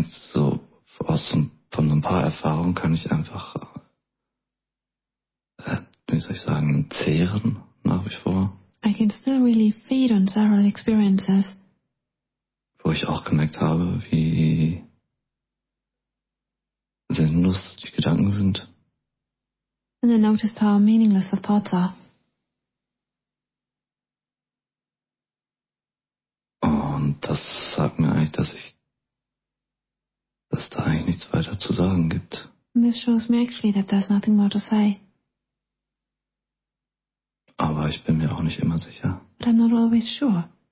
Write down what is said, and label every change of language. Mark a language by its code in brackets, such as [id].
[de] So aus von so ein paar Erfahrungen kann ich einfach, wie soll ich sagen, zehren nach wie vor. [en] I can still really feed on several experiences. [de] Wo ich auch gemerkt habe, wie sinnlos die Gedanken sind. [en] And I noticed how meaningless the thoughts are. [de] das sagt mir eigentlich, dass da eigentlich nichts weiter zu sagen gibt. [en] And this shows me actually that there's nothing more to say. [de] Aber ich bin mir auch nicht immer sicher. [en] But I'm not always sure.